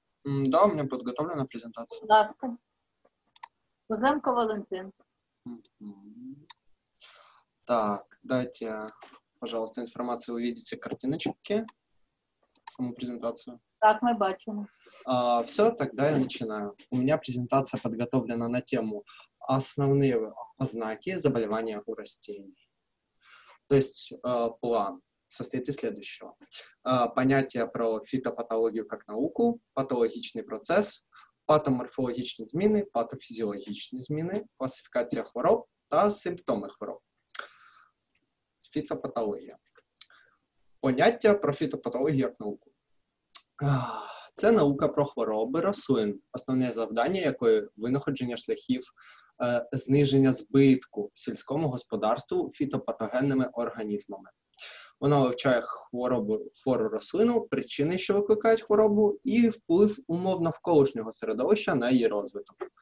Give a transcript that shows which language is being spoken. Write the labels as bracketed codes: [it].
[uk] Да, у мене підготовлена презентація. Будь ласка. Козенко Валентин. Так, дайте, [ru] пожалуйста, інформацію, ви видите картиночки, [uk] саму презентацію. Так, ми бачимо. [ru] Все, тогда я начинаю. У меня презентация подготовлена на тему «Основные знаки заболевания у растений». То есть план состоит из следующего. Понятие про фитопатологию как науку, патологичный процесс, патоморфологичные змены, патофизиологичные змены, классификация хвороб и симптомы хвороб. Фитопатология. Понятие про фитопатологию как науку. [uk] Це наука про хвороби рослин, основне завдання якої – винаходження шляхів зниження збитку сільському господарству фітопатогенними організмами. Вона вивчає хвору рослину, причини, що викликають хворобу, і вплив умов навколишнього середовища на її розвиток.